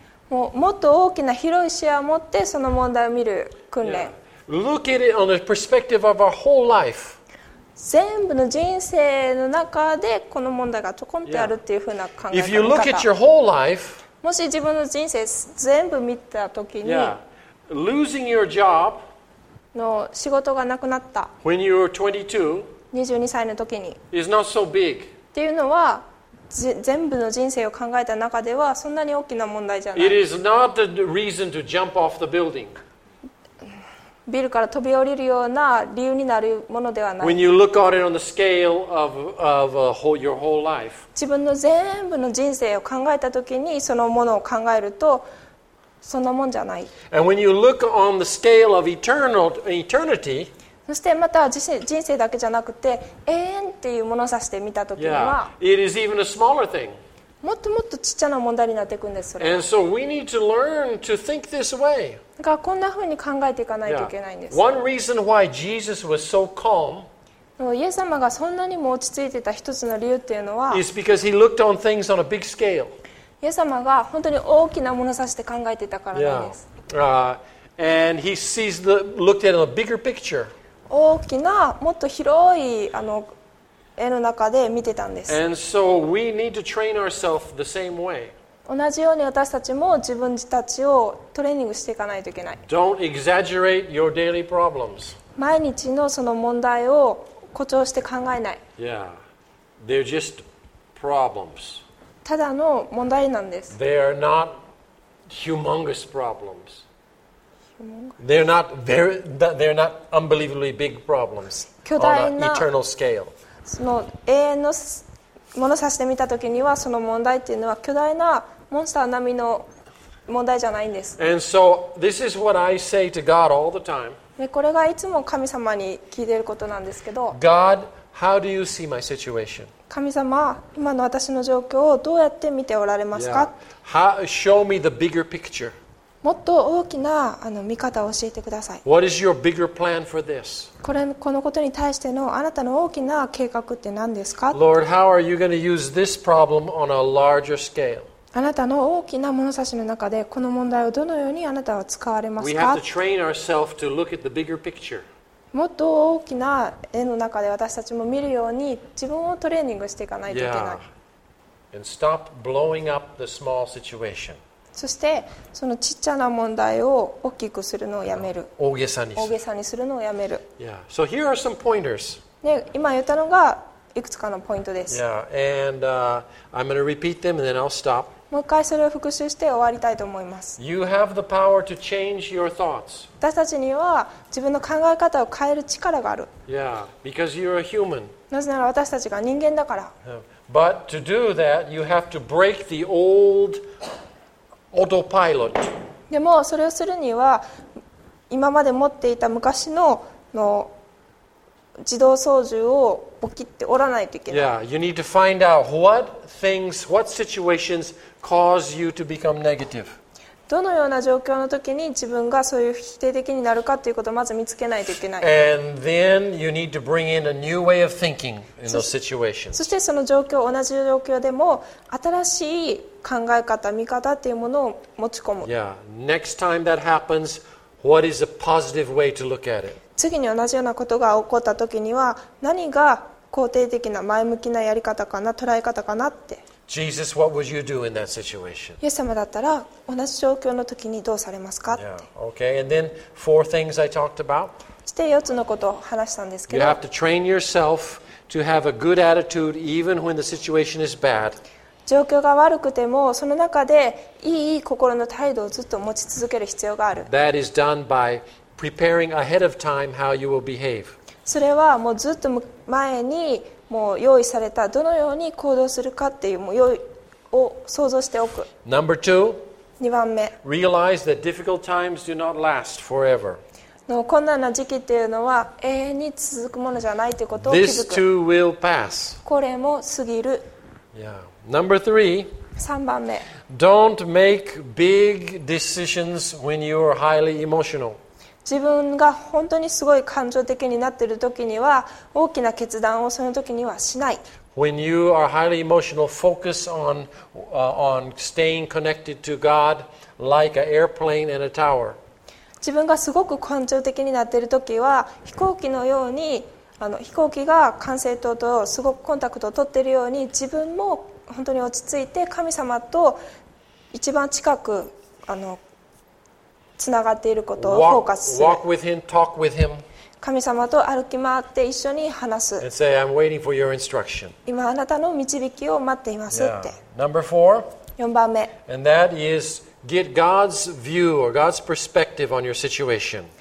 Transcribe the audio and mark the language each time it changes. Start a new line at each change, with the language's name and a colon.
Japanese: もっと大きな広い視野を持ってその問題を見る訓練。
English: Yeah. Look at it on the perspective of our whole life.
Japanese: 全部の人生の中でこの問題がちょこんってあるっていうふうな考え方。
English: If you look at your whole life,
Japanese: もし自分の人生全部見たときに、
English: yeah. losing your job,
Japanese: の仕事がなくなった。
English: When you were 22,
Japanese: 22歳のときに、
English: is not so big.
Japanese: っていうのは全部の人生を考えた中ではそんなに大きな問題じゃない。
English: It is not the reason to jump off the building.
Japanese: ビルから飛び降りるような理由になるものではない。
English: When you look at it on the scale of a whole, your whole life,
Japanese: 自分の全部の人生を考えたときにそのものを考えるとそんなもんじゃない。
English: And when you look on the scale of eternity,
Japanese: そしてまた人生だけじゃなくて永遠っていうものを指して見たときには、
English: yeah, it is even a smaller thing.
Japanese: もっともっとちっちゃな問題になっていくんです。それ。
English: And so we need to learn to think this way.
Japanese: がこんな風に考えていかないといけないんです。
English: Yeah. One reason why Jesus was so calm,
Japanese: イエス様がそんなにも落ち着いてた一つの理由っていうのは、
English: is because he looked on things on a big scale.
Japanese: イエス様が本当に大きな物差しで考えていたからなんです。
English: Yeah. And he sees the looked at a bigger picture.
Japanese: 大きなもっと広い絵の中で見てたんです。
English: And so we need to train ourselves the same way.
Japanese: 同じように私たちも自分たちをトレーニングしていかないといけない。
English: Don't exaggerate your daily problems.
Japanese: 毎日のその問題を誇張して考えない。
English: Yeah. They're just problems.
Japanese: ただの問題なんです。
English: They're not humongous problems. They're not unbelievably big problems.
Japanese: 巨大な
English: on an eternal scale.
Japanese: その永遠のものさせてみたときにはその問題っていうのは巨大なモンスター並みの問題じゃないんです。
English: And so, this is what I say to God all the time.
Japanese: これがいつも神様に聞いていることなんですけど。
English: God, how do you see my situation?
Japanese: 神様は今の私の状況をどうやって見ておられますか、
English: yeah. How, show me the bigger picture.
Japanese: もっと大きなあの見方を教えてください。
English: What is your bigger plan for this?
Japanese: このことに対してのあなたの大きな計画って何ですか。
English: Lord, how are you going to use this problem on a larger scale?
Japanese: あなたの大きな物差しの中でこの問題をどのようにあなたは使われますか。
English: We have to train ourselves to look at the bigger picture.
Japanese: もっと大きな絵の中で私たちも見るように自分をトレーニングしていかないといけない。
English: Yeah. And stop blowing up the small situation.
Japanese: そしてそのちっちゃな問題を大きくするのをやめる。大げさにするのをやめる。
English: Yeah. So here are some pointers.
Japanese: で今言ったのがいくつかのポイントです。
English: Yeah, and, I'm gonna repeat them and then I'll stop.
Japanese: もう一回それを復習して終わりたいと思います。
English: You have the power to change your thoughts.
Japanese: 私たちには自分の考え方を変える力がある。
English: Yeah, because you're a human.
Japanese: なぜなら私たちが人間だから。
English: But to do that, you have to break the old autopilot.
Japanese: でもそれをするには今まで持っていた昔の、の自動操縦をボキって折らないといけない。
English: Yeah, you need to find out what things, what situations cause you to become negative.
Japanese: どのような状況の時に自分がそういう否定的になるかということをまず見つけないといけない。
English: And then you need to bring in a new way of thinking in those situations.
Japanese: そしてその状況、同じ状況でも新しい考え方、見方というものを持ち込む。
English: Yeah, next time that happens, what is a positive way to look at it?
Japanese: 次に同じようなことが起こった時には何が肯定的な前向きなやり方かな、捉え方かなって。
English: Jesus, what would you do in that situation?
Japanese: イエス様だったら同じ状況の時にどうされますかって。
English: Yeah. Okay. And then four things I talked about.
Japanese: そして4つのことを話したんですけど、
English: You have to train yourself to have a good attitude even when the situation is bad.
Japanese: 状況が悪くてもその中でいい心の態度をずっと持ち続ける必要がある。
English: That is done byPreparing ahead of time how you will behave.
Japanese: それはもうずっと前にもう用意されたどのように行動するかっていうもう用意を想像しておく。
English: Number two.
Japanese: 2番目。
English: Realize that difficult times do not last forever.
Japanese: の困難な時期っていうのは永遠に続くものじゃないということを気づく。
English: This too will pass.
Japanese: これも過ぎる。
English: Yeah. Number three.
Japanese: 3番目。
English: Don't make big decisions when you are highly emotional.
Japanese: 自分が本当にすごい感情的になっている時には大きな決断をその時にはしない。
English: When you are highly emotional, focus on, on staying connected to God like an airplane and a tower.
Japanese: 自分がすごく感情的になっている時は飛行機のようにあの飛行機が管制塔とすごくコンタクトを取っているように自分も本当に落ち着いて神様と一番近くあのつながっていることをフォーカスする。
English: walk with him, talk with him.
Japanese: 神様と歩き回って一緒に話す。
English: And say, I'm waiting for your instruction.
Japanese: 今あなたの導きを待っていますって。
English: Yeah. Number four.
Japanese: 4番目。
English: And that is get God's view or God's perspective on your situation.